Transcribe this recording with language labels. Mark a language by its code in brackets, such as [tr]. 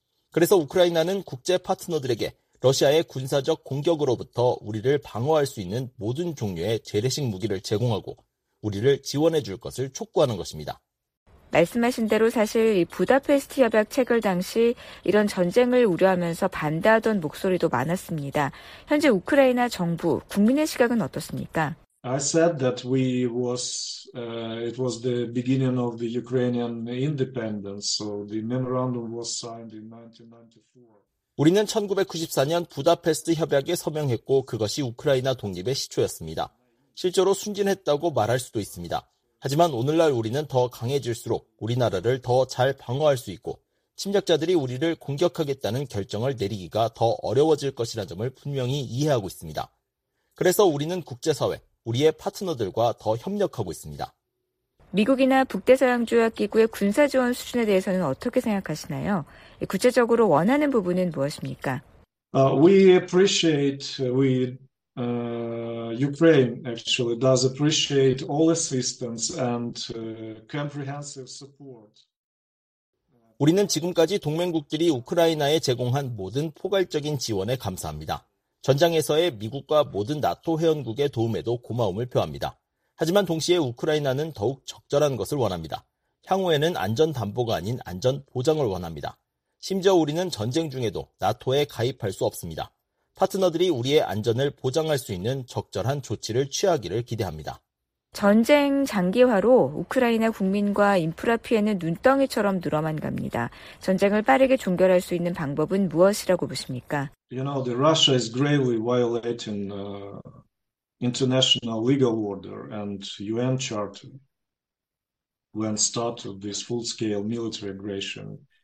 [ko] 그래서 우크라이나는 국제 파트너들에게 러시아의 군사적 공격으로부터 우리를 방어할 수 있는 모든 종류의 재래식 무기를 제공하고 우리를 지원해 줄 것을 촉구하는 것입니다. 말씀하신 대로 사실 이 부다페스트 협약 체결 당시 이런 전쟁을 우려하면서 반대하던 목소리도 많았습니다. 현재 우크라이나 정부, 국민의 시각은 어떻습니까? [en] I said that we was it was the beginning of the Ukrainian independence. So the memorandum was signed in 1994. [ko] 우리는 1994년 부다페스트 협약에 서명했고 그것이 우크라이나 독립의 시초였습니다. 실제로 순진했다고 말할 수도 있습니다. 하지만 오늘날 우리는 더 강해질수록 우리나라를 더 잘 방어할 수 있고 침략자들이 우리를 공격하겠다는 결정을 내리기가 더 어려워질 것이라는 점을 분명히 이해하고 있습니다. 그래서 우리는 국제사회, 우리의 파트너들과 더 협력하고 있습니다. 미국이나 북대서양조약기구의 군사지원 수준에 대해서는 어떻게 생각하시나요? 구체적으로 원하는 부분은 무엇입니까? [en] Ukraine actually does appreciate all assistance and comprehensive support. [ko] 우리는 지금까지 동맹국들이 우크라이나에 제공한 모든 포괄적인 지원에 감사합니다. 전장에서의 미국과 모든 나토 회원국의 도움에도 고마움을 표합니다. 하지만 동시에 우크라이나는 더욱 적절한 것을 원합니다. 향후에는 안전 담보가 아닌 안전 보장을 원합니다. 심지어 우리는 전쟁 중에도 나토에 가입할 수 없습니다. 파트너들이 우리의 안전을 보장할 수 있는 적절한 조치를 취하기를 기대합니다. 전쟁 장기화로 우크라이나 국민과 인프라 피해는 눈덩이처럼 늘어만 갑니다. 전쟁을 빠르게 종결할 수 있는 방법은 무엇이라고 보십니까? [en] You know, Russia is gravely violating international legal order and UN Charter when started this full-scale military aggression.